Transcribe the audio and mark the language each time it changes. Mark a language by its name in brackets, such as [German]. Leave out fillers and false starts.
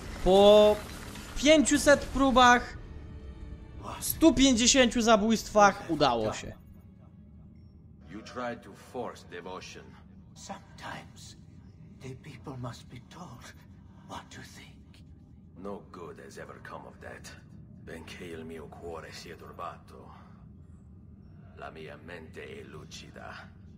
[Polish] Po 500 próbach, 150 zabójstwach udało się. [English] You tried to force devotion. Sometimes the people must be told what to think. No good has ever come of that. [Italian] Benché il mio cuore sia turbato, la mia mente è lucida.